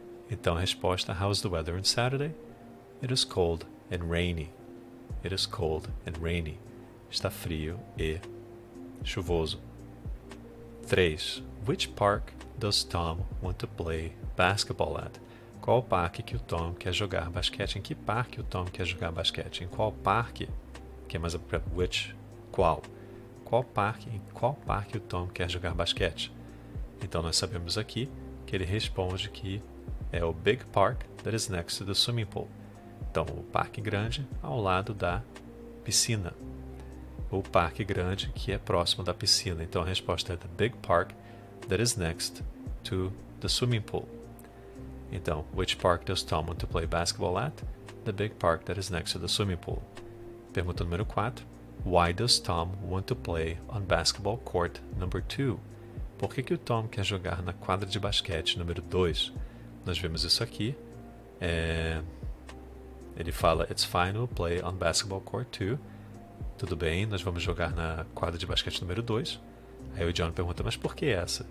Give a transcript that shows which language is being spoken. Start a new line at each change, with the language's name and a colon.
Portuguese: Então, a resposta:
English: How's the weather on Saturday? It is cold and rainy. It is cold and rainy.
Portuguese: Está frio e chuvoso. 3.
English: Which park does Tom want to play basketball at?
Portuguese: Qual parque que o Tom quer jogar basquete? Em que parque o Tom quer jogar basquete? Em qual parque? Que é mais apropriado. Which? Qual? Qual parque? Em qual parque o Tom quer jogar basquete? Então nós sabemos aqui que ele responde que é o Big Park
English: that is next to the swimming pool.
Portuguese: Então o parque grande ao lado da piscina. O parque grande que é próximo da piscina. Então a resposta é
English: the Big Park that is next to the swimming pool. Então, which park does Tom want to play basketball at? The big park that is next to the swimming pool.
Portuguese: Pergunta número 4.
English: Why does Tom want to play on basketball court number 2?
Portuguese: Por que que o Tom quer jogar na quadra de basquete número 2? Nós vemos isso aqui. Ele fala,
English: it's fine, we'll play on basketball court 2.
Portuguese: Tudo bem, nós vamos jogar na quadra de basquete número 2. Aí o John pergunta, mas por que essa?